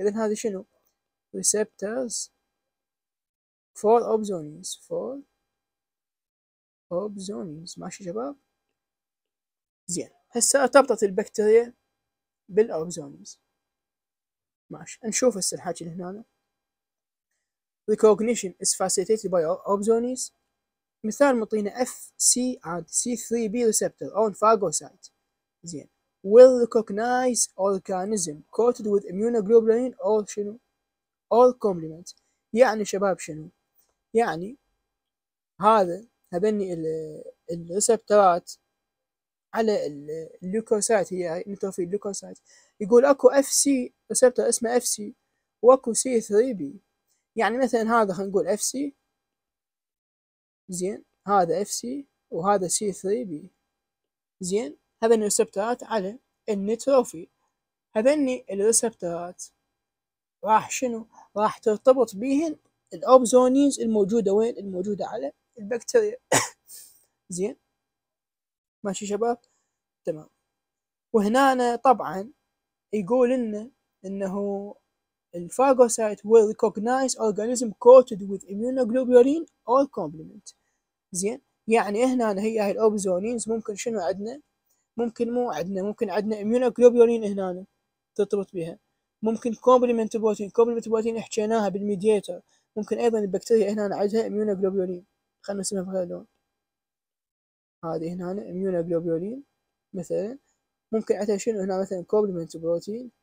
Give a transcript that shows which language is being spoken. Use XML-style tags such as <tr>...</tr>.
<ar>اذا هذه شنو؟</ar> <en>Receptors for opsonins for opsonins.</en> <ar>ماشي شباب؟ زين هسه ارتبطت البكتيريا بالابزونينز. ما ماشي نشوف هسه الحكي اللي هنا.</ar> <en>Recognition is facilitated by opsonies.</en> <ar>مثال مطينا</ar> <en>FC and C3B receptor on phagocyte. زين. Will recognize organism coated with immunoglobulin or شنو؟ All complement.</en> <ar>يعني شباب شنو؟ يعني هذا هذني الريسبترات على اللوكوسايت هي نيتروفيل لوكوسايت. يقول اكو اف سي ريسبتر اسمه اف سي واكو سي 3 بي. يعني مثلا هذا خلينا نقول اف سي زين، هذا اف سي وهذا سي 3 بي زين. هذني ريسبترات على النيتروفيل، هذني الريسبترات راح شنو؟ راح ترتبط بهن الاوبزونينز الموجوده وين؟ الموجوده على البكتيريا. زين ماشي شباب تمام. وهنا طبعا يقول لنا انه الفاجوسايت</ar> <en>will recognize organism coated with immunoglobulin or complement.</en> <ar>زين يعني هنا هي هاي الاوبزونينز ممكن شنو عندنا؟ ممكن مو عندنا، ممكن عندنا immunoglobulin هنا ترتبط بها، ممكن complement بروتين، complement بروتين حكيناها بالميدياتور، ممكن ايضا البكتيريا هنا عندها immunoglobulin. خلنا نسميها بهذا اللون، هذه هنا immunoglobulin مثلا، ممكن عندها شنو هنا مثلا complement بروتين.</ar>